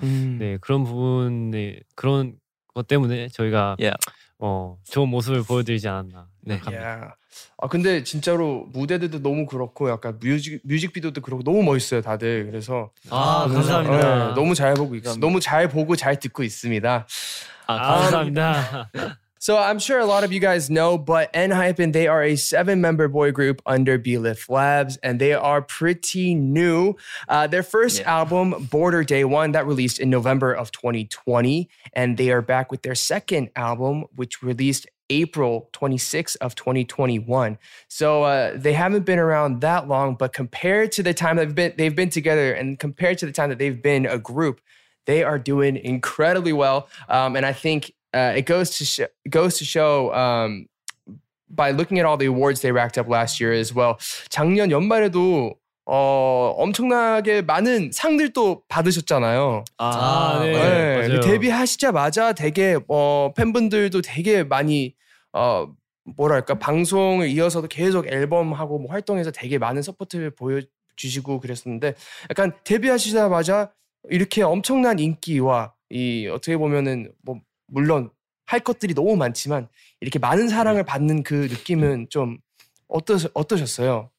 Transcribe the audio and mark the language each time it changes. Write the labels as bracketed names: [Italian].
[Korean] 네 그런 부분에 그런 것 때문에 저희가 yeah. 좋은 모습을 보여드리지 않았나 생각합니다. 네. Yeah. 아 근데 진짜로 무대들도 너무 그렇고 약간 뮤직비디오도 그렇고 너무 멋있어요 다들 그래서 아 감사합니다 네, 너무 잘 보고 있습니다 너무 잘 보고 잘 듣고 있습니다 아 감사합니다 [English] So I'm sure a lot of you guys know but ENHYPEN they are a 7-member boy group under B-Lift Labs and they are pretty new their first yeah. album Border Day 1 that released in November of 2020 and they are back with their second album which released April 26th of 2021. So they haven't been around that long, but compared to the time they've been together and compared to the time that they've been a group, they are doing incredibly well. And I think it goes to show by looking at all the awards they racked up last year as well. [Korean] 작년 연말에도 엄청나게 많은 상들도 받으셨잖아요. 아, 네. 네. 맞아요. 데뷔하시자마자 되게 팬분들도 되게 많이 뭐랄까 방송을 이어서도 계속 앨범하고 뭐 활동해서 되게 많은 서포트를 보여주시고 그랬었는데 약간 데뷔하시자마자 이렇게 엄청난 인기와 이 어떻게 보면은 뭐 물론 할 것들이 너무 많지만 이렇게 많은 사랑을 받는 그 느낌은 좀 어떠셨어요?